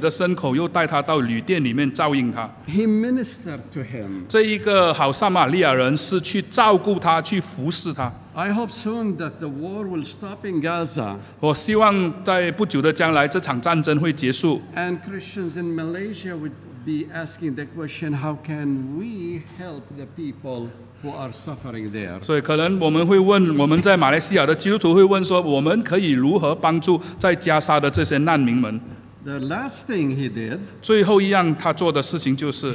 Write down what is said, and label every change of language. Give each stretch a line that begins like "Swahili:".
Chinese: 他用油倒在他的伤处包裹好了，扶他上到自己的牲口，又带他到旅店里面照应他。
English: He ministered to him.
Chinese: 这一个好撒玛利亚人是去照顾他，去服侍他。
English: I hope soon that the war will stop in Gaza.
Chinese: 我希望在不久的将来，这场战争会结束。
English: And Christians in Malaysia would be asking the question, how can we help the people who are suffering there?
Chinese: 所以可能我们会问，我们在马来西亚的基督徒会问说，我们可以如何帮助在加沙的这些难民们？
English: The last thing he did,
Chinese: 最后一样他做的事情就是,